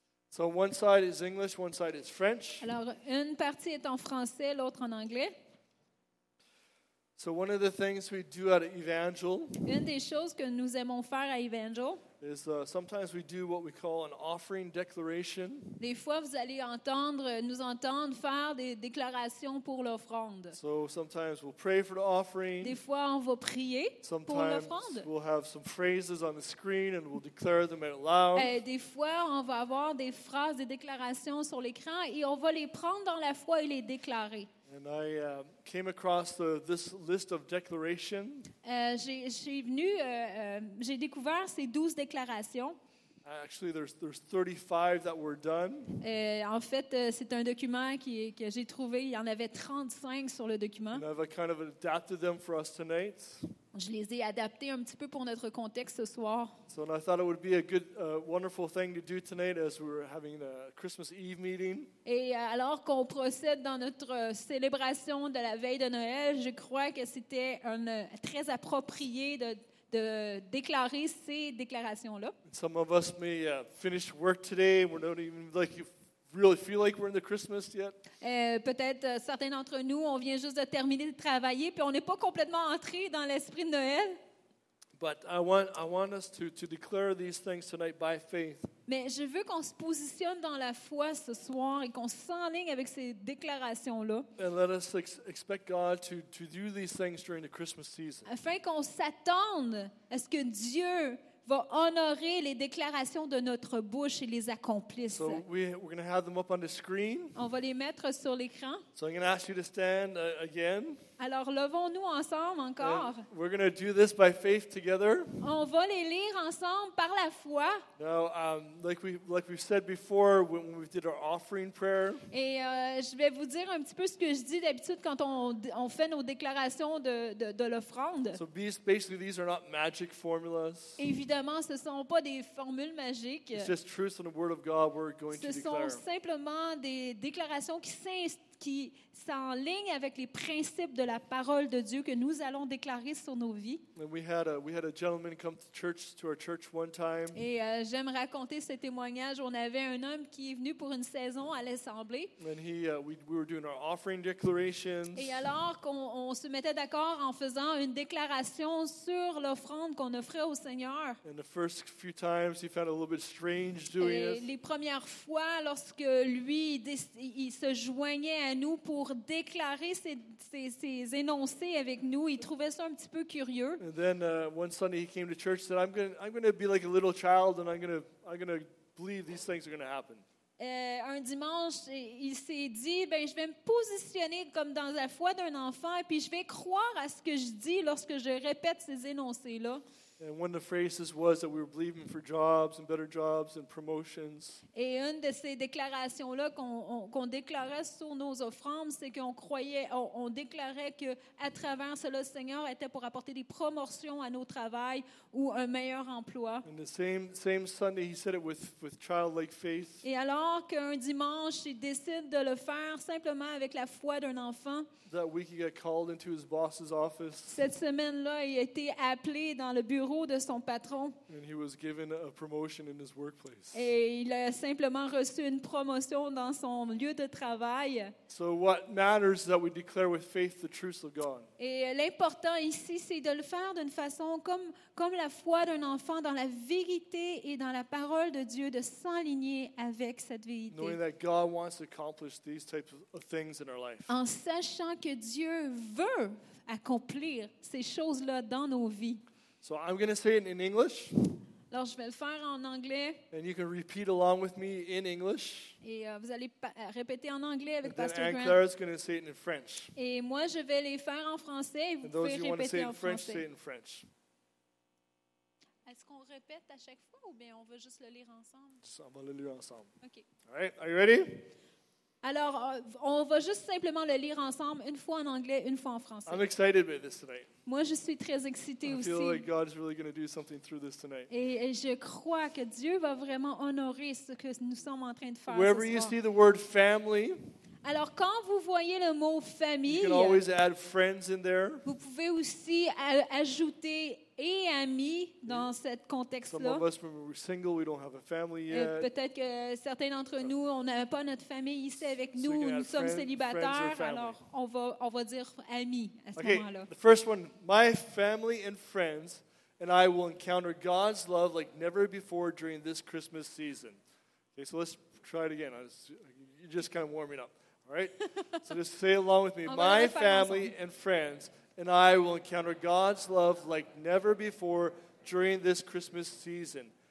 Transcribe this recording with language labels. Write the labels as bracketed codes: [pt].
[en] So one side is English, one side is French. [fr] Alors, une partie est en français, l'autre en anglais. [en] So one of the things we do at Evangel, [fr] une des choses que nous aimons faire à Evangel, [en] is sometimes we do what we call an offering declaration. [fr] Des fois, vous allez entendre, nous entendre faire des déclarations pour l'offrande. [en] So sometimes we'll pray for the offering. [fr] Des fois, on va prier [en] sometimes [fr] pour l'offrande. [en] We'll have some phrases on the screen and we'll declare them out loud. [fr] Des fois, on va avoir des phrases, des déclarations sur l'écran et on va les prendre dans la foi et les déclarer. [en] And I came across this list of declarations. [fr] J'ai découvert ces 12 déclarations. [en] Actually, there's 35 that were done. [fr] C'est un document que j'ai trouvé. Il y en avait 35 sur le document. [en] And I've kind of adapted them for us tonight. [fr] Je les ai adaptés un petit peu pour notre contexte ce soir. [en] So I thought it would be a good, wonderful thing to do tonight as we were having a Christmas Eve meeting. [fr] Et alors qu'on procède dans notre célébration de la veille de Noël, je crois que c'était très approprié de déclarer ces déclarations-là. [en] Some of us may finish work today. We're not even like you. Really feel like we're in the Christmas yet? [fr] Peut-être certains d'entre nous, on vient juste de terminer de travailler, puis on n'est pas complètement entré dans l'esprit de Noël. [en] But I want us to declare these things tonight by faith. [fr] Mais je veux qu'on se positionne dans la foi ce soir et qu'on s'enligne avec ces déclarations-là. [en] And let us expect God to do these things during the Christmas season. [fr] Afin qu'on s'attende à ce que Dieu va honorer les déclarations de notre bouche et les accomplisse. [en] So we're going to have them up on the screen. [fr] On va les mettre sur l'écran. [en] So I'm going to ask you to stand again. [fr] Alors levons-nous ensemble encore. [en] And we're going to do this by faith together. [fr] On va les lire ensemble par la foi. [en] Now, like we've said before when we did our offering prayer. [fr] Et je vais vous dire un petit peu ce que je dis d'habitude quand on fait nos déclarations de l'offrande. [en] So basically, these are not magic formulas. [fr] Évidemment, ce ne sont pas des formules magiques. [en] It's just truth in the word of God we're going [fr] ce [en] to [fr] sont [en] declare. [fr] Simplement des déclarations qui s'enlignent avec les principes de la parole de Dieu que nous allons déclarer sur nos vies. [en] We had a gentleman come to church, to our church one time. [fr] Et j'aime raconter ce témoignage. On avait un homme qui est venu pour une saison à l'assemblée. [en] And we were doing our offering declarations. [fr] Et alors qu'on se mettait d'accord en faisant une déclaration sur l'offrande qu'on offrait au Seigneur. [en] And the first few times he found it a little bit strange doing [fr] et [en] it. [fr] Les premières fois lorsque lui il se joignait à nous pour déclarer ses énoncés avec nous. Il trouvait ça un petit peu curieux. [en] And then one Sunday he came to church and said, I'm going to be like a little child and I'm going to believe these things are going to happen. [fr] Un dimanche, il s'est dit, ben, je vais me positionner comme dans la foi d'un enfant et puis je vais croire à ce que je dis lorsque je répète ces énoncés-là. [en] And one of the phrases was that we were believing for jobs and better jobs and promotions. [fr] Et une de ces déclarations là qu'on déclarait sur nos offrandes, c'est qu'on croyait, on déclarait que à travers cela, le Seigneur était pour apporter des promotions à nos travails ou un meilleur emploi. [en] And the same Sunday, he said it with childlike faith. [fr] Et alors qu'un dimanche, il décide de le faire simplement avec la foi d'un enfant. [en] That week, he got called into his boss's office. [fr] Cette semaine là, il a été appelé dans le bureau de son patron. [en] And he was given a promotion in his workplace. [fr] Et il a simplement reçu une promotion dans son lieu de travail. [en] So what matters is that we declare with faith the truths of God. [fr] Et l'important ici, c'est de le faire d'une façon comme la foi d'un enfant dans la vérité et dans la parole de Dieu, de s'aligner avec cette vérité. [en] Knowing that God wants to accomplish these types of things in our life. [fr] En sachant que Dieu veut accomplir ces choses-là dans nos vies. [en] So I'm going to say it in English. [fr] Alors, je vais le faire en anglais. [en] And you can repeat along with me in English. [fr] Et vous allez répéter en anglais avec Pastor [en] Grant. And then Anne-Claire is going to say it in French. [fr] Et moi, je vais les faire en français. [en] And those who want to say it in French, say it in French. [fr] Est-ce qu'on répète à chaque fois ou bien on veut juste le lire ensemble? On va le lire ensemble. [en] Okay. All right, are you ready? [fr] Alors, on va juste simplement le lire ensemble, une fois en anglais, une fois en français. [en] I'm excited about this tonight. [fr] Moi, je suis très excitée aussi. [en] I feel like God is really going to do something through this tonight. [fr] Et je crois que Dieu va vraiment honorer ce que nous sommes en train de faire. [en] Wherever you see the word family, [fr] alors quand vous voyez le mot famille, [en] you can always add friends in there. [fr] Vous pouvez aussi ajouter et amis dans cet contexte-là. [en] Some of us, when we're single, we don't have a family yet. [fr] Peut-être que certains d'entre nous, on n'a pas notre famille ici avec nous, nous sommes célibataires, alors on va dire amis à ce moment-là. [en] The first one, my family and friends and I will encounter God's love like never before during this Christmas season. Okay, so let's try it again. You're just kind of warming up. All right? So just say along with me, my family and friends and I will encounter God's love like never before during this Christmas season.